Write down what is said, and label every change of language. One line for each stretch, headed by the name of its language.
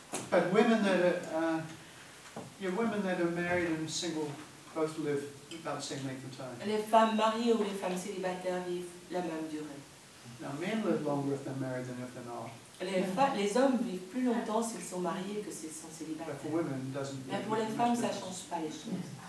English: But women that are, women that are married and single both live about the same length of time.
French: Les femmes mariées ou les femmes célibataires vivent la même durée.
English: Now men live longer if they're married than if they're not.
French: Les hommes vivent plus longtemps s'ils sont mariés que s'ils sont célibataires.
English: But for women, doesn't.
French: Mais pour les femmes, ça change pas les choses.